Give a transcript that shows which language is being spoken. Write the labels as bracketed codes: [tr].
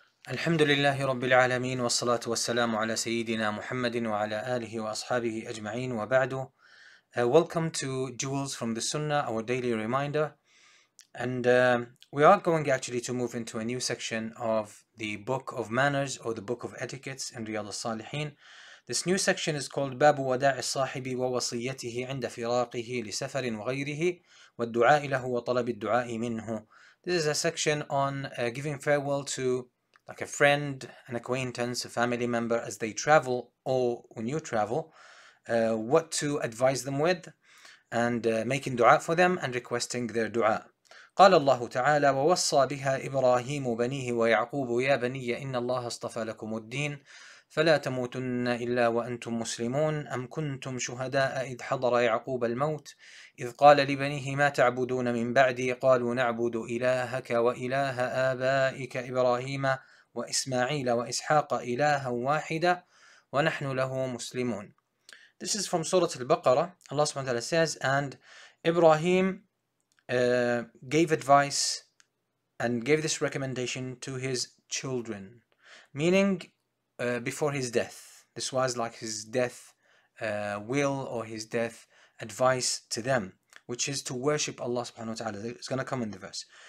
[ar] الحمد لله رب العالمين والصلاة والسلام على سيدنا محمد وعلى آله وأصحابه أجمعين وبعد. [en] Welcome to Jewels from the Sunnah, our daily reminder. And we are going actually to move into a new section of the Book of Manners or the Book of Etiquettes in Riyad al-Salihin. This new section is called [ar] باب وداع الصاحب ووصيته عند فراقه لسفر وغيره والدعاء له وطلب الدعاء منه. [en] This is a section on giving farewell to like a friend, an acquaintance, a family member as they travel or when you travel, what to advise them with and making dua for them and requesting their dua. [ar] قال الله تعالى ووصى بها إبراهيم بنيه ويعقوب يا بني إن الله اصطفى لكم الدين فلا تموتن إلا وأنتم مسلمون أم كنتم شهداء إذ حضر يعقوب الموت إذ قال لبنيه ما تعبدون من بعدي قالوا نعبد إلهك وإله آبائك إبراهيم وإسماعيل وإسحاق إلها واحدة ونحن له مسلمون. [en] This is from Surah Al-Baqarah. Allah subhanahu wa ta'ala says, and Ibrahim gave advice and gave this recommendation to his children, meaning before his death. This was like his death will or his death advice to them, which is to worship Allah subhanahu wa ta'ala. It's going to come in the verse.